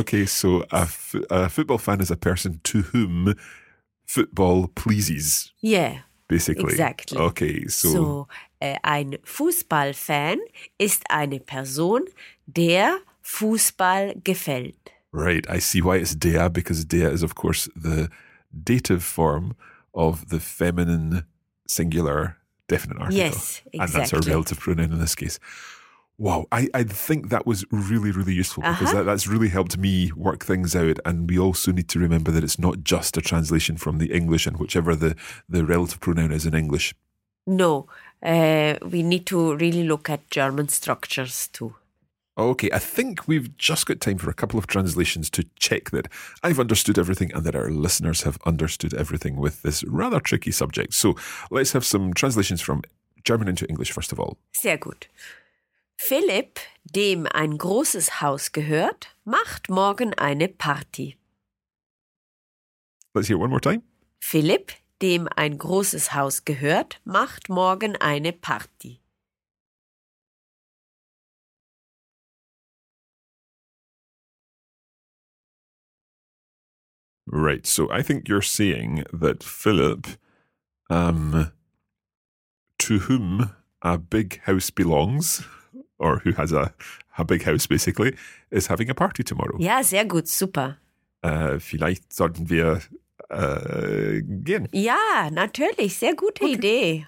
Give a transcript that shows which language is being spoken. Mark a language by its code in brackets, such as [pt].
[en] Okay, so a football fan is a person to whom football pleases. Yeah. Basically. Exactly. Okay, so. [de] Ein Fußballfan ist eine Person, der Fußball gefällt. [en] Right, I see why it's der, because der is, of course, the dative form of the feminine singular definite article. Yes, exactly. And that's our relative pronoun in this case. Wow, I think that was really, really useful because that's really helped me work things out. And we also need to remember that it's not just a translation from the English and whichever the relative pronoun is in English. No, we need to really look at German structures too. Okay, I think we've just got time for a couple of translations to check that I've understood everything and that our listeners have understood everything with this rather tricky subject. So let's have some translations from German into English, first of all. [de] Sehr gut. Philipp, dem ein großes Haus gehört, macht morgen eine Party. [en] Let's hear it one more time. [de] Philipp, dem ein großes Haus gehört, macht morgen eine Party. [en] Right, so I think you're saying that Philip, to whom a big house belongs, or who has a big house basically, is having a party tomorrow. [de] Ja, sehr gut, super. Vielleicht sollten wir gehen. Ja, natürlich, sehr gute Idee.